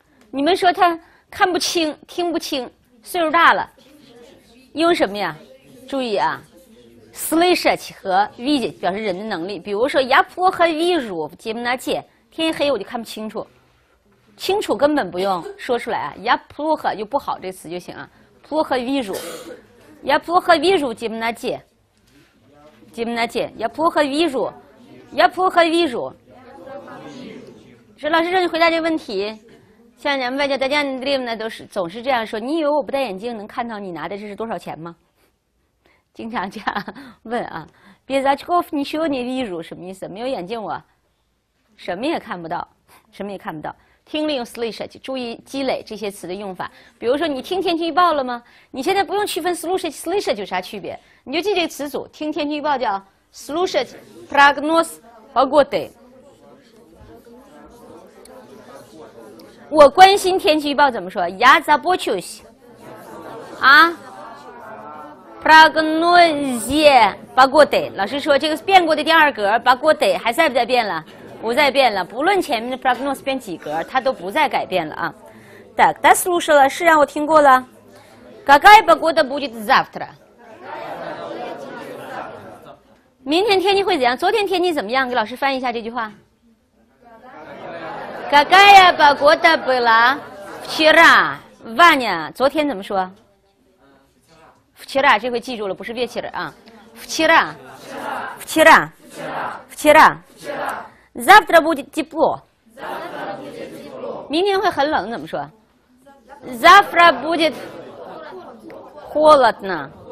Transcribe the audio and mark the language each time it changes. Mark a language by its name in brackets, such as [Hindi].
[Chinese] 你们说他看不清、听不清，岁数大了，用什么呀？注意啊 ，слышать 和 видеть 表示人的能力。比如说 [Russian] я плохо вижу в темноте， [Chinese] 天黑我就看不清楚。清楚根本不用说出来啊 ，я плохо 就不好这词就行啊 ， [Russian] плохо вижу，я плохо вижу темноте，темноте，я плохо вижу，я плохо вижу。 [Chinese] 说老师让你回答这个问题，像咱们外教大家的人呢，都是总是这样说。你以为我不戴眼镜能看到你拿的这是多少钱吗？经常这样问啊。 [Russian] Без очков не вижу не вижу [Chinese] 什么意思？没有眼镜我什么也看不到，什么也看不到。听力用 слышать， 注意积累这些词的用法。比如说，你听天气预报了吗？你现在不用区分 слушать слышать 有啥区别，你就记这个词组。听天气预报叫 слушать прогноз погоды。我关心天气预报怎么说 ？ [Russian] Я забочусь。 прогнозе погоды。 [Chinese] 老师说这个变过的第二格 погоды 还在不在变了？不再变了，不论前面的 prognose 变几格，它都不再改变了啊。 [Russian] Так, слушай [Chinese] 了，是让我听过了。 [Russian] Какая погода будет завтра？ [Chinese] 明天天气会怎样？昨天天气怎么样？给老师翻译一下这句话。 [Russian] Какая погода была вчера？ [Chinese] Ваня， 昨天怎么说？ Вчера， 这回记住了，不是 вечер 啊。 [Russian] Вчера， вчера， вчера， вчера。 Завтра будет тепло. Завтра будет тепло. [Chinese] 明天会很冷，怎么说 ？ [Russian] Завтра будет холодно.